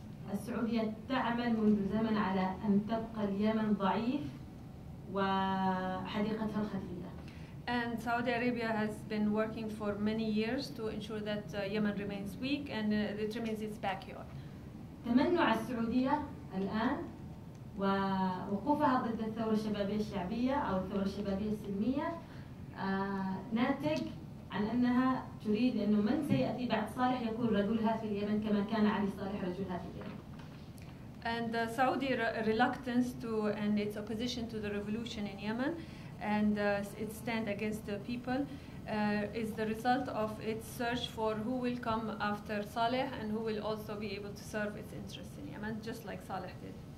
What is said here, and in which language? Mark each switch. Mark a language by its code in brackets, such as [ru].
[ar] والسعودية تعمل منذ زمن على أن تبقى اليمن ضعيف وحديقتها الخليج. [en] And Saudi Arabia has been working for many years to ensure that Yemen remains weak and it remains its backyard. [ar] تمنع السعودية الآن ووقوفها ضد الثورة الشبابية الشعبية أو الثورة الشبابية السلمية ناتج عن أنها تريد أنه من سيأتي بعد صالح يكون رجلها في اليمن كما كان علي صالح رجلها في اليمن. [en] And the Saudi reluctance to and its opposition to the revolution in Yemen and its stand against the people is the result of its search for who will come after Saleh and who will also be able to serve its interests in Yemen, just like Saleh did.